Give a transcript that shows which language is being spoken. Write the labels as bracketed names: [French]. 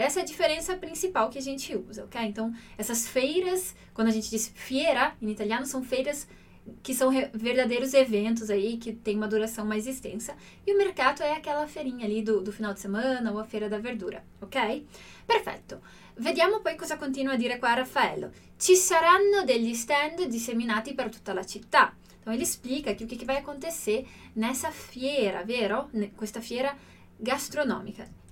[Portuguese] Essa é a diferença principal que a gente usa, ok? Então, essas feiras, quando a gente diz fiera, em italiano, são feiras que são verdadeiros eventos aí, que tem uma duração mais extensa. E o mercato é aquela feirinha ali do final de semana, ou a feira da verdura, ok? [Italian] Perfetto. Vediamo poi cosa continua a dire qua Raffaello. Ci saranno degli stand disseminati per tutta la città. [Portuguese] Então, ele explica che o que vai acontecer nessa fiera, vero? [Italian] Questa fiera gastronomica.